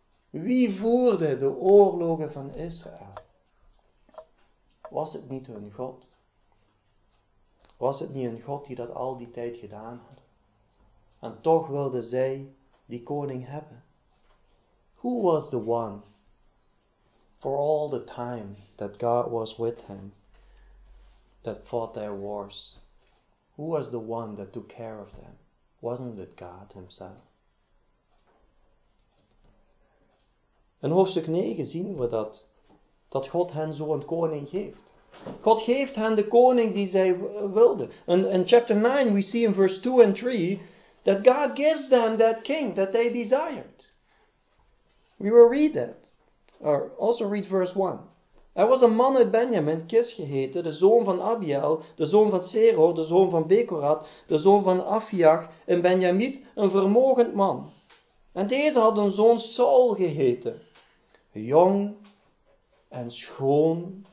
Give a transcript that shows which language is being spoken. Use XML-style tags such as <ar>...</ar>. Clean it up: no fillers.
<nl>Wie voerde de oorlogen van Israël? Was het niet hun God? Was het niet een God die dat al die tijd gedaan had? En toch wilden zij die koning hebben.</nl> <en>Who was the one for all the time that God was with him that fought their wars? Who was the one that took care of them? Wasn't it God himself?</en> <nl>In hoofdstuk 9 zien we dat God hen zo'n koning geeft. God geeft hen de koning die zij wilden.</nl> <en>In chapter 9 we see in verse 2 and 3 that God gives them that king that they desired. We will read that. Or also read verse 1.</en> <nl>Er was een man uit Benjamin, Kis geheten, de zoon van Abiel, de zoon van Seror, de zoon van Bekorat, de zoon van Afiach, een Benjamiet, een vermogend man. En deze had een zoon Saul geheten, jong en schoon.</nl>